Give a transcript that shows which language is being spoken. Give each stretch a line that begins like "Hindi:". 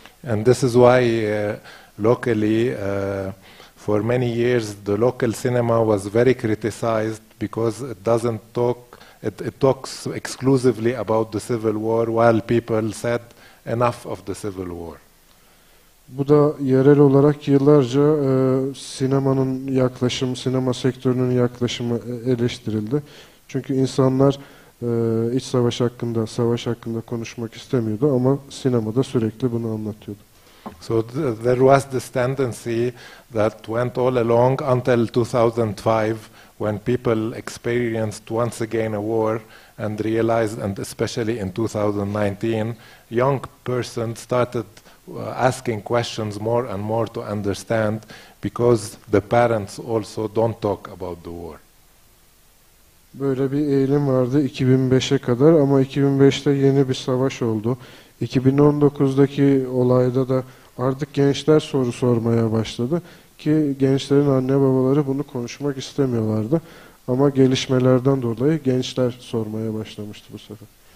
English: And this is why locally for many years the local cinema was very criticized because it doesn't talk, it talks exclusively about the civil war while people said enough of the civil war.
Turkish: Bu da yerel olarak yıllarca sinemanın yaklaşımı, sinema sektörünün yaklaşımı eleştirildi. Çünkü insanlar iç savaş hakkında, savaş hakkında konuşmak istemiyordu ama sinemada sürekli bunu anlatıyordu.
English: So there was this tendency that went all along until 2005 when people experienced once again a war and realized, and especially in 2019 young persons started asking questions more and more to understand because the parents also don't talk about the war.
Turkish: Böyle bir eğilim vardı 2005'e kadar ama 2005'te yeni bir savaş oldu. 2019'daki olayda da artık gençler soru sormaya başladı ki gençlerin anne babaları bunu konuşmak istemiyorlardı ama gelişmelerden dolayı gençler sormaya başlamıştı bu sefer.